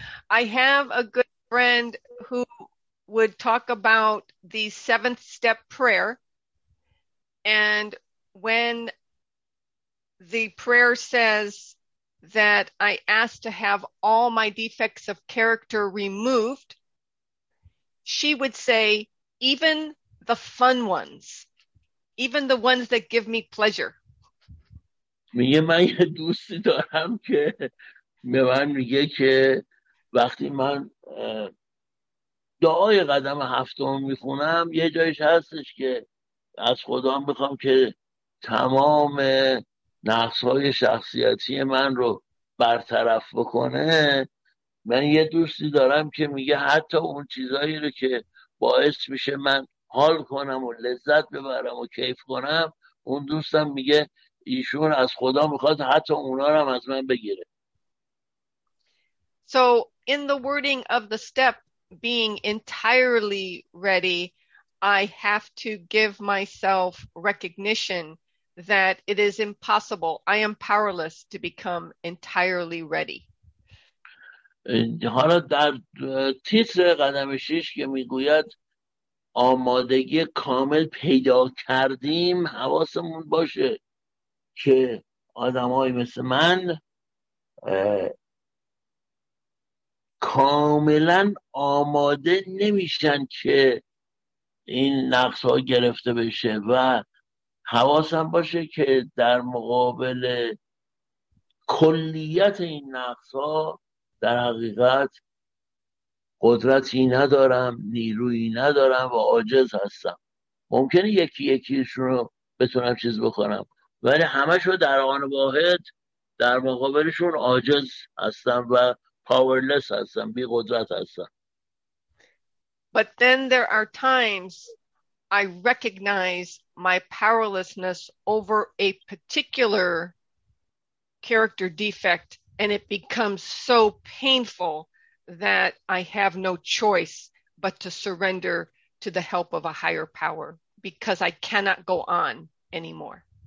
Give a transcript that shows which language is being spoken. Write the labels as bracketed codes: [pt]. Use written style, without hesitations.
[en] I have a good friend who would talk about the seventh step prayer, and when the prayer says that I ask to have all my defects of character removed, she would say, even the fun ones, even the ones that give me pleasure. [fa] میگه من یه دوستی دارم که به من میگه که وقتی من دعای قدم هفتم میخونم یه جایش هستش که از خدا میخوام که تمام نقصهای شخصیتی من رو برطرف بکنه. من یه دوستی دارم که میگه حتی اون چیزایی رو که باعث میشه من حال کنم و لذت ببرم و کیف کنم، اون دوستم میگه ایشون از خدا میخواد حتی اونا رو هم از من بگیره. [en] So in the wording of the step being entirely ready, I have to give myself recognition that it is impossible. I am powerless to become entirely ready. [fa] حالا در تیتر قدم شیش که میگوید آمادگی کامل پیدا کردیم، حواسمون باشه که آدمای مثل من کاملا آماده نمیشن که این نقص ها گرفته بشه و حواسم باشه که در مقابل کلیت این نقص ها در حقیقت قدرتی ندارم، نیرویی ندارم و عاجز هستم. ممکنه یکی یکیشون رو بتونم چیز بکنم، ولی همه‌شو در آن واحد در مقابلشون عاجز هستم و پاورلس هستم، بی قدرت هستم. [en] But then there are times I recognize my powerlessness over a particular character defect and it becomes so painful that I have no choice but to surrender to the help of a higher power because I cannot go on anymore.